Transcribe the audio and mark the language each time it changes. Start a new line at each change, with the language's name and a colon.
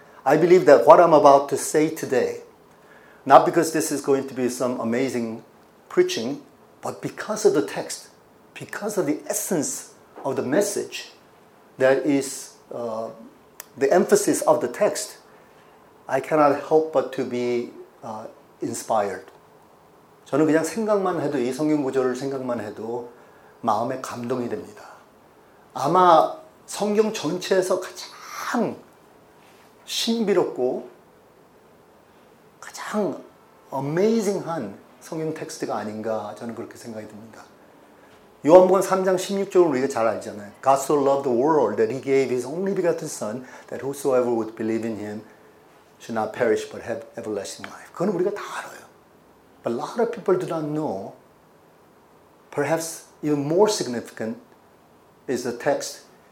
English: I believe that what I'm about to say today, not because this is going to be some amazing preaching, but because of the text, because of the essence of the message, that is the emphasis of the text, I cannot help but to be inspired.
Korean: 저는 그냥 생각만 해도 이 성경 구절을 생각만 해도 마음에 감동이 됩니다. 아마 성경 전체에서 가장 신비롭고 가장 amazing한 성경 텍스트가 아닌가 저는 그렇게 생각이 듭니다. 요한복음 3장 16절을 우리가 잘 알잖아요.
English: God so loved the world that he gave his only begotten son that whosoever would believe in him should not perish but have everlasting life.
Korean: 그건 우리가 다 알아요.
English: But a lot of people do not know. Perhaps even more significant is the text.